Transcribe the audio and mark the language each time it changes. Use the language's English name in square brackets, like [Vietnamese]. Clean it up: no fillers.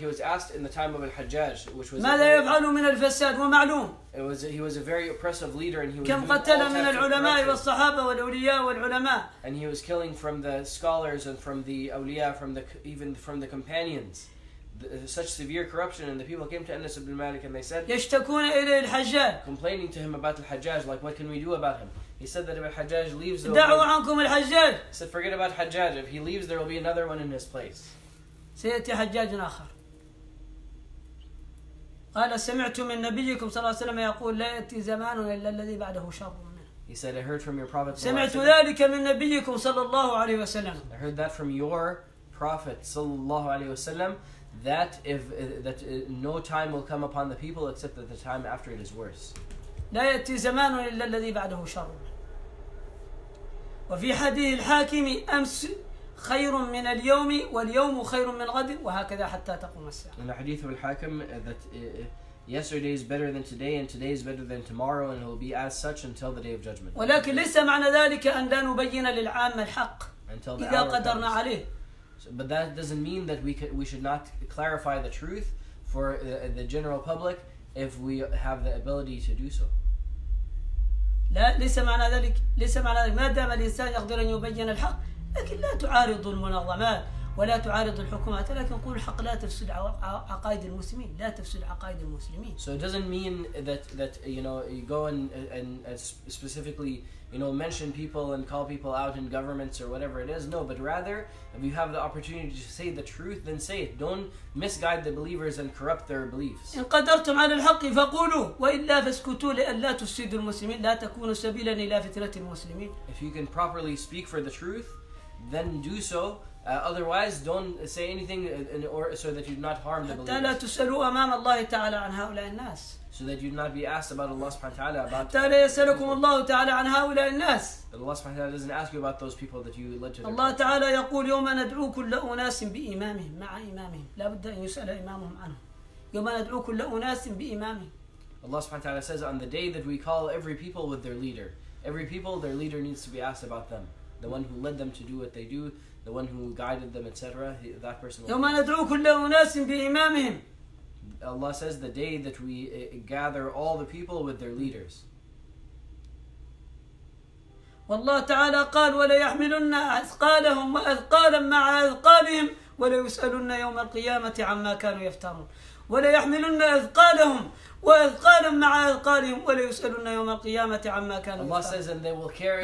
[English] he was asked in the time of al-Hajjaj which was [Arabic] ماذا يفعل من الفساد ومعلوم [English] he was a very oppressive leader and he was [Arabic] كم قتل من العلماء والصحابة والأولياء والعلماء [English] and he was killing from the scholars and from the أولياء from the companions such severe corruption and the people came to Anas ibn Malik and they said [Arabic] يشتكون إليه الحجاج [English] complaining to him about al-Hajjaj like what can we do about him. He said that if al-Hajjaj leaves, he said, forget about Hajjaj. If he leaves, there will be another one in his place. [Arabic] سيأتي حجاج آخر. قال سمعت من نبيكم صلى الله عليه وسلم يقول لا يأتي زمان إلا الذي بعده شر منه. [English] He said, I heard from your prophet. [Arabic] سمعت ذلك من نبيكم صلى الله عليه وسلم. [English] I heard that from your prophet [Arabic] صلى الله عليه وسلم. [English] That no time will come upon the people except that the time after it is worse. [Arabic] لا يأتي زمان إلا الذي بعده شر. وفي حديث الحاكم أمس خير من اليوم واليوم خير من غد وهكذا حتى تقوم الساعة. [English] In the hadith of al-Hakim that yesterday is better than today and today is better than tomorrow and it will be as such until the day of judgment. [Arabic] ولكن ليس معنى ذلك أن لا نبين للعام الحق إذا قدرنا عليه. [English] But that doesn't mean that we should not clarify the truth for the general public. if we have the ability to do so. [Arabic] لا ليس معنى ذلك ليس معنى ذلك ما دام الإنسان يقدر أن يبين الحق لكن لا تعارض المنظمات ولا تعارض الحكومات لكن قول الحق لا تفسد عقائد المسلمين لا تفسد عقائد المسلمين. [English] So it doesn't mean that you know you go and specifically you know mention people and call people out in governments or whatever it is. No, but rather if you have the opportunity to say the truth, then say it. Don't misguide the believers and corrupt their beliefs. [Arabic] إن قدرتم على الحق فقولوا وإلا فاسكتوا لئلا تفسدوا المسلمين لا تكونوا سبيلا إلى فترة المسلمين. [English] If you can properly speak for the truth, then do so. Otherwise, don't say anything in order so that you do not harm the believers. [Arabic] حتى لا تسألوا أمام الله تعالى عن هؤلاء الناس. [English] So that you do not be asked about Allah subhanahu wa ta'ala about. [Arabic] حتى لا يسألكم الله تعالى عن هؤلاء الناس. [English] Allah subhanahu wa ta'ala doesn't ask you about those people that you led to. [Arabic] الله تعالى يقول يوم ندعو كل أناس بإمامهم مع إمامهم لا بد أن يسأل إمامهم عنهم يوم ندعو كل أناس بإمامهم. [English] Allah subhanahu wa ta'ala says on the day that we call every people with their leader, every people their leader needs to be asked about them, the one who led them to do what they do. The one who guided them, etc. That person. [Arabic] يوم ندعو كل أناس بإمامهم. [English] Allah says the day that we gather all the people with their leaders. [Arabic] والله تعالى قال ولا يحملن أثقالهم وأثقالا مع أثقالهم ولا يسألن يوم القيامة عما كانوا يفترون ولا يحملن أثقالهم وأثقالا مع أثقالهم ولا يسألن يوم القيامة عما كانوا يفعلون. [English] Allah says and they will carry.